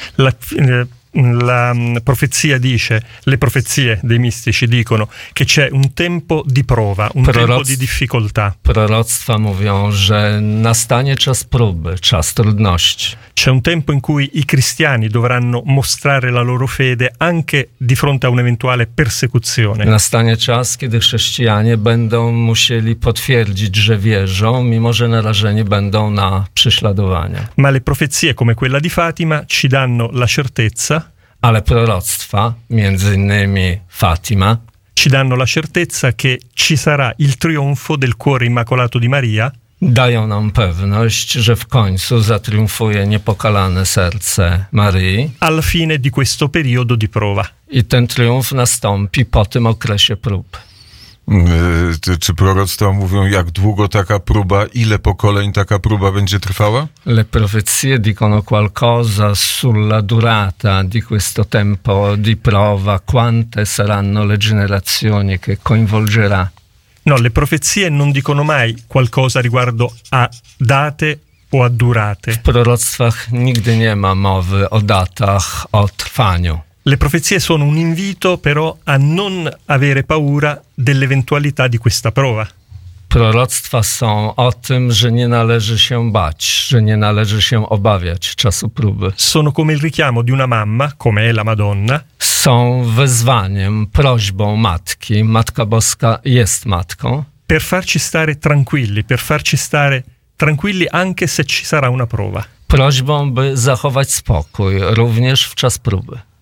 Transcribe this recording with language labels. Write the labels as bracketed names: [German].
[Italian] La, la profezia dice, le profezie dei mistici dicono che c'è un tempo di prova, un tempo di difficoltà. [Polish] Proroctwa mówią, że nastanie czas próby, czas trudności. [Italian] C'è un tempo in cui i cristiani dovranno mostrare la loro fede anche di fronte a un'eventuale persecuzione. [Polish] Nastanie czas, kiedy chrześcijanie będą musieli potwierdzić, że wierzą, mimo że narażeni będą na prześladowania. [Italian] Ma le profezie come quella di Fatima ci danno la certezza. [Polish] Ale proroctwa, między innymi Fatima, [Italian] ci danno la certezza che ci sarà il trionfo del cuore immacolato di Maria. [Polish] Dają nam pewność, że w końcu zatriumfuje niepokalane serce Marii. [Italian] Al fine di questo periodo di prova. [Polish] I ten triumf nastąpi po tym okresie prób. Czy proroctwa mówią, jak długo taka próba, ile pokoleń taka próba będzie trwała? [Italian] Le profezie dicono qualcosa sulla durata di questo tempo di prova, quante saranno le generazioni che coinvolgerà. No, le profezie non dicono mai qualcosa riguardo a date o a durate. [Polish] W proroctwach nigdy nie ma mowy o datach, o trwaniu. [Italian] Le profezie sono un invito però a non avere paura dell'eventualità di questa prova. [Polish] Proroctwa są o tym, że nie należy się bać, że nie należy się obawiać czasu próby. [Italian] Sono come il richiamo di una mamma, come è la Madonna. [Polish] Są wezwaniem, prośbą matki. Matka Boska jest matką. [Italian] Per farci stare tranquilli, per farci stare tranquilli anche se ci sarà una prova. [Polish] Prośbą, by zachować spokój, również w czas próby.